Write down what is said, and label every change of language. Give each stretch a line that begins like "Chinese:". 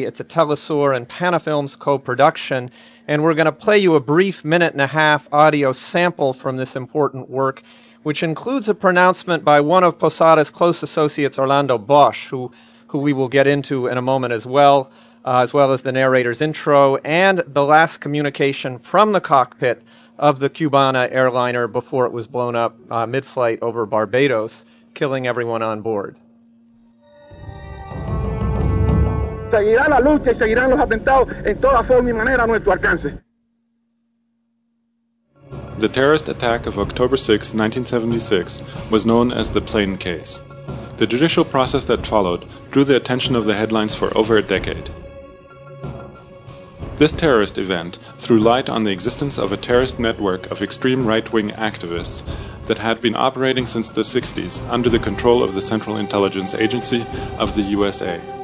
English: It's a Telesur and Panafilms co-production, and we're going to play you a brief minute-and-a-half audio sample from this important work, which includes a pronouncement by one of Posada's close associates, Orlando Bosch, who we will get into in a moment as well as the narrator's intro and the last communication from the cockpit of the Cubana airliner before it was blown up mid-flight over Barbados, killing everyone on board.
Spanish: Seguirá la lucha y seguirán los atentados en toda forma y manera a nuestro alcance.
English: The terrorist attack of October 6, 1976 was known as the plane case. The judicial process that followed drew the attention of the headlines for over a decade. This terrorist event threw light on the existence of a terrorist network of extreme right-wing activists that had been operating since the 60s under the control of the Central Intelligence Agency of the USA.